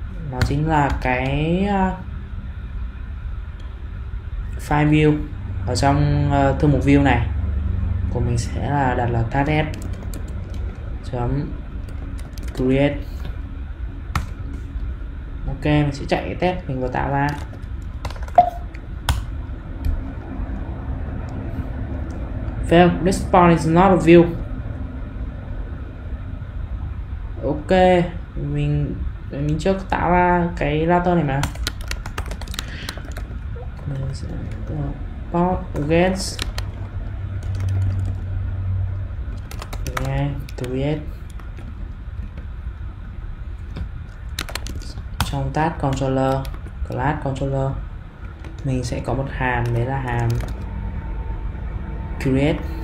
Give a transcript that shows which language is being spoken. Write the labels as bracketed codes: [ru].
[vi] Nó chính là cái file view ở trong thư mục view này. Của mình sẽ là đặt là task chấm create. Ok, mình sẽ chạy cái test mình vừa tạo ra. [en] Fail, this part is not a view. [vi] Ok, mình chưa tạo ra cái router này mà. Mình sẽ port get create trong task controller, class controller mình sẽ có một hàm, đấy là hàm create.